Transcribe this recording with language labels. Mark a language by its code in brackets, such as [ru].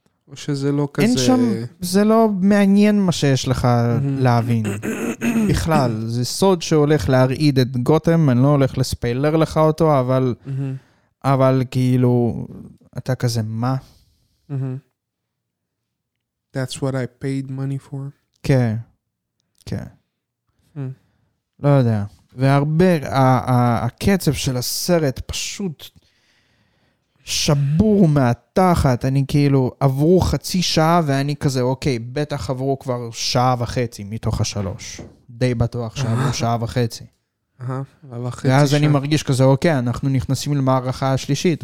[he] או שזה לא כזה... אין שם, זה לא מעניין מה שיש לך להבין. בכלל, זה סוד שהולך להרעיד את גותם, אני לא הולך לספיילר לך אותו, אבל, אבל כאילו, אתה כזה מה? [en] That's what I paid money for. [he] לא יודע. והרבה, הקצב של הסרט פשוט שבור מהתחת. אני כאילו, עברו חצי שעה ואני כזה, אוקיי, בטח עברו כבר שעה וחצי מתוך השלוש. די בטוח שעברו שעה וחצי. ואז אני מרגיש כזה, אוקיי, אנחנו נכנסים למערכה השלישית.